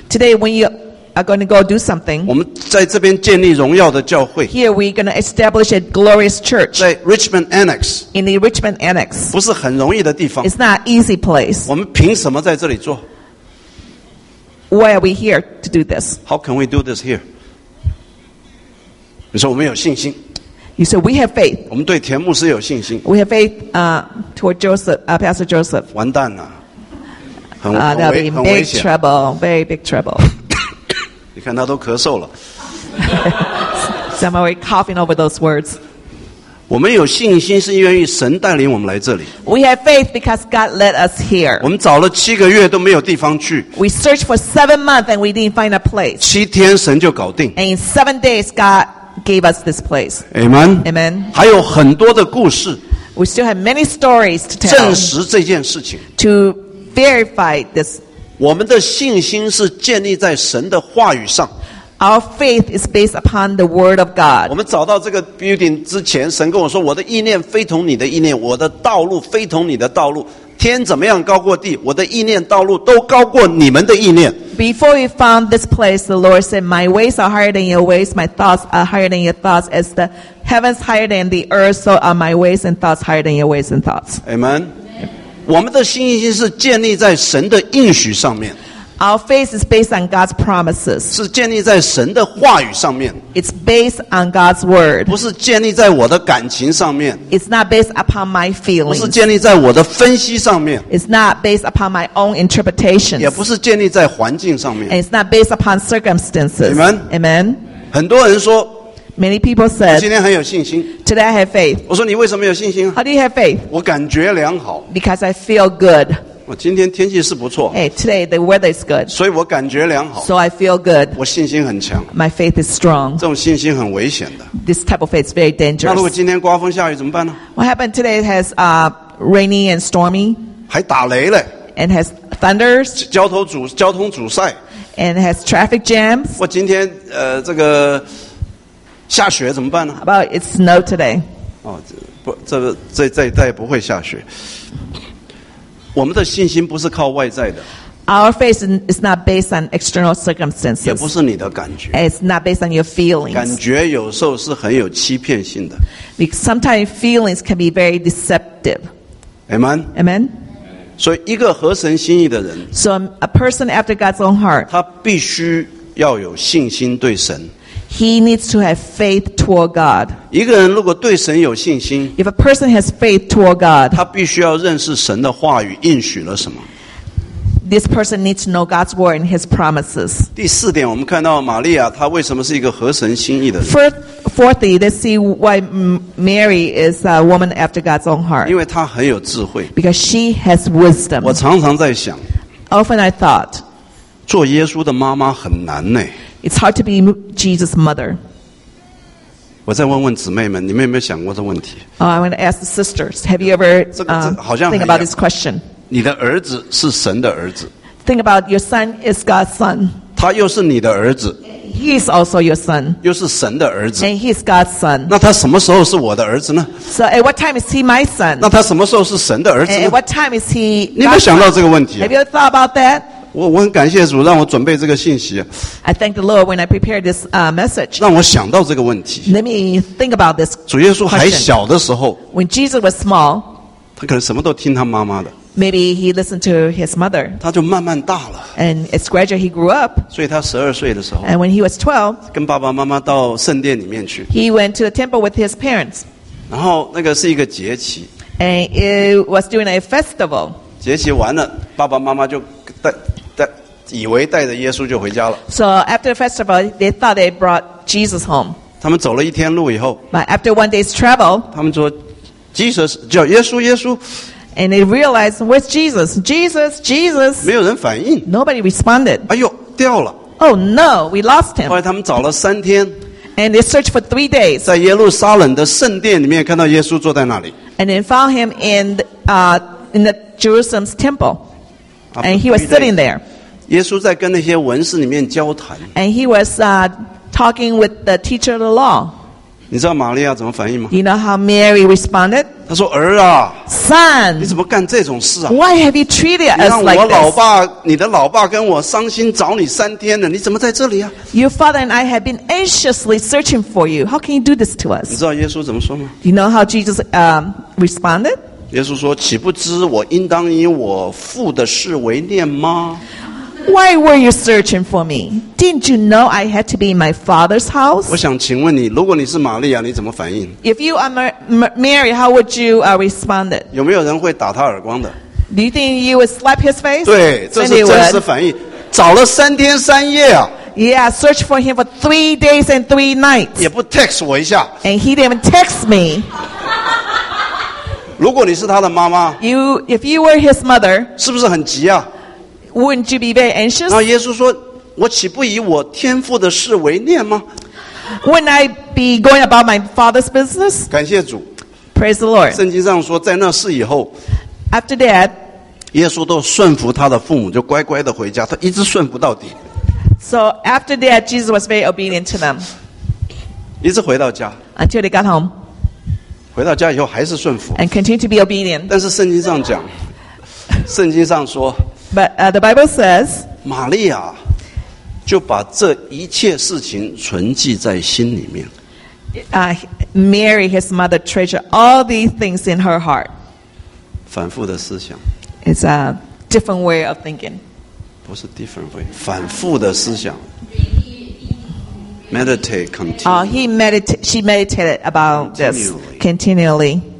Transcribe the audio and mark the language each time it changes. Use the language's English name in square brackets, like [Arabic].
[English] ？Today, when you are going to go do something. [Chinese] 我们在这边建立荣耀的教会。 [English] Here we're going to establish a glorious church. [Chinese] 在 Richmond Annex. [English] In the Richmond Annex. [Chinese] 不是很容易的地方。 [English] It's not easy place. [Chinese] 我们凭什么在这里做？ [English] Why are we here to do this? How can we do this here? [Chinese] 你说我们有信心。 [English] You said we have faith. [Chinese] 我们对田牧师有信心。 [English] We have faith toward Joseph, Pastor Joseph. [Chinese] 完蛋了， [English] That'll be big trouble, very big trouble. [Chinese] 你看他都咳嗽了。 [English] Somehow we're coughing over those words. [Chinese] 我们有信心是因为神带领我们来这里。 [English] We have faith because God led us here. [Chinese] 我们找了七个月都没有地方去。 [English] We searched for 7 months and we didn't find a place. [Chinese] 七天神就搞定。 [English] And in 7 days, God gave us this place. Amen. Amen. [Chinese] 还有很多的故事。 [English] We still have many stories to tell. [Chinese] 证实这件事情。 [English] To verify this. [Chinese] 我们的信心是建立在神的话语上。 [English] Our faith is based upon the word of God. [Chinese] 我们找到这个 building 之前，神跟我说：“我的意念非同你的意念，我的道路非同你的道路。天怎么样高过地，我的意念道路都高过你们的意念。” [English] Before we found this place, the Lord said, "My ways are higher than your ways. My thoughts are higher than your thoughts. As the heavens higher than the earth, so are my ways and thoughts higher than your ways and thoughts." Amen. [Chinese] 我们的信心是建立在神的应许上面。 [English] Our faith is based on God's promises. [Chinese] 是建立在神的话语上面。 [English] It's based on God's word. [Chinese] 不是建立在我的感情上面。 [English] It's not based upon my feelings. [Chinese] 不是建立在我的分析上面。 [English] It's not based upon my own interpretations. [Chinese] 也不是建立在环境上面。 [English] And it's not based upon circumstances. Amen. Amen. [Chinese] 很多人说 [English] Many people said, [Chinese] 我今天很有信心。 [English] Today I have faith. [Chinese] 我说你为什么有信心？ [English] How do you have faith? [Chinese] 我感觉良好。 [English] Because I feel good. [Chinese] 今天天气是不错。 [English] Hey, today the weather is good. [Chinese] 所以我感觉良好。 [English] So I feel good. [Chinese] 我信心很强。 [English] My faith is strong. [Chinese] 这种信心很危险的。 [English] This type of faith is very dangerous. [Chinese] 那如果今天刮风下雨怎么办呢？ [English] What happened today has rainy and stormy. [Chinese] 还打雷嘞。 [English] And has thunders. [Chinese] 交通阻塞。 [English] And has traffic jams. [Chinese] 我今天这个下雪怎么办呢？ [English] How about it snow today? [Chinese] 这不会下雪。我们的信心不是靠外在的。 [English] Our faith is not based on external circumstances. [Chinese] 也不是你的感觉。 [English] It's not based on your feelings. [Chinese] 感觉有时候是很有欺骗性的。 [English] Because sometimes feelings can be very deceptive. Amen. Amen. [Chinese] 所以一个合神心意的人。 [English] So a person after God's own heart. [Chinese] 他必须要有信心对神。 [English] He needs to have faith toward God. [Chinese] 一个人如果对神有信心， [English] If a person has faith toward God, [Chinese] 他必须要认识神的话语应许了什么。 [English] This person needs to know God's word and His promises. [Chinese] 第四点，我们看到玛利亚她为什么是一个合神心意的人。 [English] Fourthly, let's see why Mary is a woman after God's own heart. [Chinese] 因为她很有智慧。 [English] Because she has wisdom. [Chinese] 我常常在想， [English] Often I thought, [Chinese] 做耶稣的妈妈很难呢。 [English] It's hard to be Jesus' mother. [Chinese] 我再问问姊妹们，你们有没有想过这问题？ [English] I want to ask the sisters. Have you ever think about this question? [Chinese] 你的儿子是神的儿子。 [English] Think about your son is God's son. [Chinese] 他又是你的儿子。 [English] He's also your son. [Chinese] 又是神的儿子。 [English] And he's God's son. [Chinese] 那他什么时候是我的儿子呢？ [English] So at what time is he my son? [Chinese] 那他什么时候是神的儿子呢？ [English] And at what time is he? [Chinese] 你有没有想到这个问题？ [English] Have you thought about that? [Chinese] 我很感谢主让我准备这个信息。 [English] I thank the Lord when I prepared this message. [Chinese] 让我想到这个问题。 [English] Let me think about this. [Chinese] 主耶稣还小的时候。 [English] When Jesus was small. [Chinese] 他可能什么都听他妈妈的。 [English] Maybe he listened to his mother. [Chinese] 他就慢慢大了。 [English] And as gradually he grew up. [Chinese] 所以他十二岁的时候。 [English] And when he was 12. [Chinese] 跟爸爸妈妈到圣殿里面去。 [English] He went to the temple with his parents. [Chinese] 然后那个是一个节期。 [English] And it was during a festival. [Chinese] 节期完了，爸爸妈妈就带。以为带着耶稣就回家了。 [English] So after the festival, they thought they brought Jesus home. [Chinese] 他们走了一天路以后。 [English] But after one day's travel, [Chinese] 他们说 ，Jesus 叫耶稣，耶稣。 [English] And they realized, where's Jesus? Jesus, Jesus. [Chinese] 没有人反应。 [English] Nobody responded. [Chinese] 哎呦，掉了。 [English] Oh no, we lost him. [Chinese] 后来他们找了三天。 [English] And they searched for 3 days. [Chinese] 在耶路撒冷的圣殿里面看到耶稣坐在那里。 [English] And they found him in the Jerusalem's temple. And he was sitting there. [Chinese] 耶稣在跟那些文士里面交谈。 [English] And he was talking with the teacher of the law. [Chinese] 你知道玛利亚怎么反应吗？ [English] You know how Mary responded? [Chinese] 她说：“儿啊， [English] Son, [Chinese] 你怎么干这种事啊？ [English] Why have you treated us like this? [Chinese] 你让我老爸，你的老爸跟我伤心找你三天了，你怎么在这里啊？ [English] Your father and I have been anxiously searching for you. How can you do this to us? [Chinese] 你知道耶稣怎么说吗？ [English] You know how Jesus responded? [Chinese] 耶稣说：岂不知我应当以我父的事为念吗？ [English] Why were you searching for me? Didn't you know I had to be in my father's house? [Chinese] 我想请问你，如果你是玛利亚，你怎么反应？ [English] If you are Mary, how would you respond? [Chinese] 有没有人会打他耳光的？ [English] Do you think you would slap his face? [Chinese] 对，这是真实反应。找了三天三夜啊。 [English] Yeah, search for him for 3 days and 3 nights. [Chinese] 也不 text 我一下。 [English] And he didn't even text me. [Chinese] 如果你是他的妈妈， [English] if you were his mother, [Chinese] 是不是很急啊？ [English] Wouldn't you be very anxious? [Chinese] 那耶稣说，我岂不以我天父的事为念吗？ [English] Wouldn't I be going about my father's business? [Chinese] 感谢主。 [English] Praise the Lord. [Chinese] 圣经上说，在那事以后， [English] after that, [Chinese] 耶稣都顺服他的父母，就乖乖地回家，他一直顺服到底。 [English] So after that, Jesus was very obedient to them. [Chinese] 一直回到家。 [English] Until they got home. [Chinese] 回到家以后还是顺服。 [English] And continue to be obedient. [Chinese] 但是圣经上讲，圣经上说。 [English] But the Bible says. [Chinese] 玛利亚就把这一切事情存记在心里面。 [English] Mary, his mother, treasured all these things in her heart. [Chinese] 反复的思想。 [English] It's a different way of thinking. [Chinese] 不是 [English] different way， [Chinese] 反复的思想。 [English] Meditate continually. She meditated about this continually.